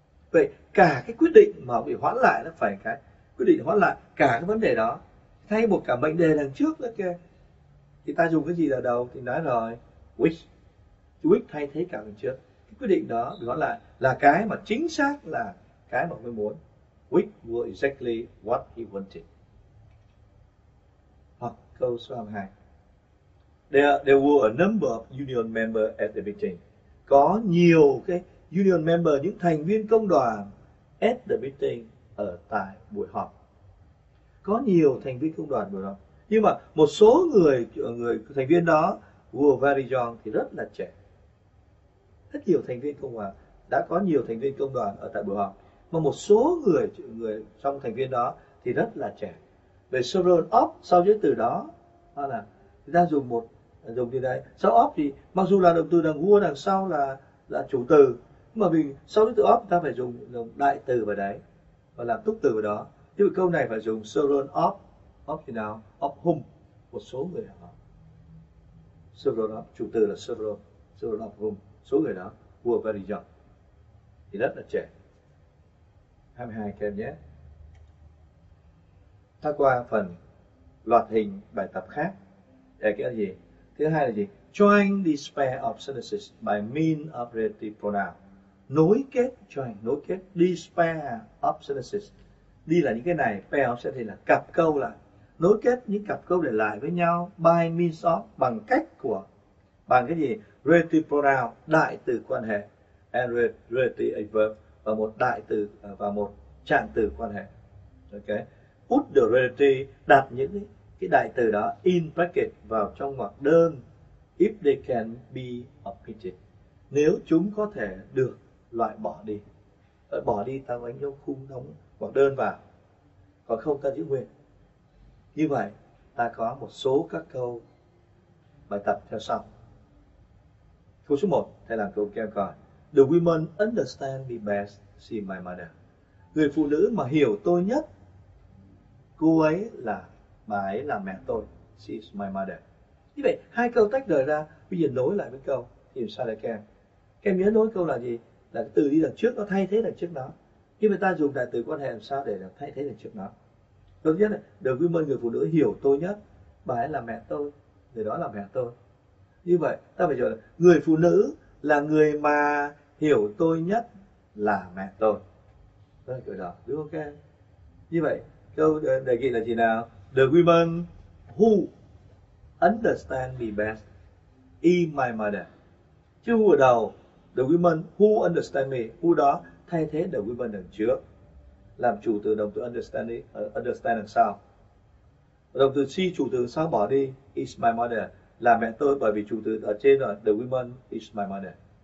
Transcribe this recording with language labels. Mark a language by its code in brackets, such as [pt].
[vi] Vậy cả cái quyết định mà bị hoãn lại nó phải cái quyết định hoãn lại cả cái vấn đề đó, thay một cả mệnh đề đằng trước đó kia. Thì ta dùng cái gì là đầu thì nói rồi, which. Which thay thế cả đằng trước. Cái quyết định đó nói lại là cái mà chính xác là cái mà mình muốn. [en] Which was exactly what he wanted. [vi] Hoặc câu số 22. [en] were a number of union member at the meeting. [vi] Có nhiều cái union member, những thành viên công đoàn [en] at the meeting, [vi] ở tại buổi họp. Có nhiều thành viên công đoàn buổi họp. Nhưng mà một số người người thành viên đó [en] were very young, [vi] thì rất là trẻ. Rất nhiều thành viên công đoàn, đã có nhiều thành viên công đoàn ở tại buổi họp. Mà một số người người trong thành viên đó thì rất là trẻ. Về several of, sau chữ từ đó, đó là người ta dùng một dùng như đây. Sau of thì mặc dù là động từ đằng vua đằng sau là chủ từ, mà vì sau chữ từ of ta phải dùng đại từ vào đấy và làm túc từ vào đó. Thì câu này phải dùng several of, of thì nào, of whom, một số người đó. Several of, chủ từ là several, [en] several of whom, [vi] số người đó, [en] who are very young, [vi] thì rất là trẻ. 22 các em nhé. Ta qua phần loạt hình bài tập khác. Để cái là gì? Thứ hai là gì? [en] Join these pair of sentences by means of relative pronoun. [vi] Nối kết, join, nối kết [en] these pair of sentences. [vi] Đi là những cái này, pair of sentences là cặp câu, là nối kết những cặp câu để lại với nhau [en] by means of, [vi] bằng cách của, bằng cái gì? [en] Relative pronoun, [vi] đại từ quan hệ, [en] and relative adverb, [vi] và một đại từ và một trạng từ quan hệ. Ok. [en] Put the relative, [vi] đặt những cái đại từ đó [en] in bracket [vi] vào trong ngoặc đơn [en] if they can be omitted. [vi] Nếu chúng có thể được loại bỏ đi. Bỏ đi ta đánh dấu khung đóng ngoặc đơn vào. Còn không ta giữ nguyên. Như vậy ta có một số các câu bài tập theo sau. Câu số 1, thầy làm câu kèm coi. [en] The women understand me best, see my mother. [vi] Người phụ nữ mà hiểu tôi nhất, cô ấy là, bà ấy là mẹ tôi, [en] she's my mother. [vi] Như vậy, hai câu tách rời ra, bây giờ nối lại với câu, thì sao lại kèm? Kèm nhớ nối câu là gì? Là cái từ đi đằng trước, nó thay thế đằng trước nó. Khi người ta dùng đại từ quan hệ làm sao để thay thế đằng trước nó? Đầu nhất là, the women, người phụ nữ hiểu tôi nhất, bà ấy là mẹ tôi, người đó là mẹ tôi. Như vậy, ta phải chọn người phụ nữ là người mà hiểu tôi nhất là mẹ tôi. Đó là đó, đúng không em? Như vậy, câu đề nghị là gì nào? [en] The women who understand me best is my mother. [vi] Chứ who ở đầu, [en] the women who understand me, [vi] who đó thay thế the women đằng trước. Làm chủ từ động từ understand, understand đằng sau. Động từ she chủ từ sau bỏ đi, [en] is my mother, [vi] là mẹ tôi, bởi vì chủ từ ở trên là the women is my mother.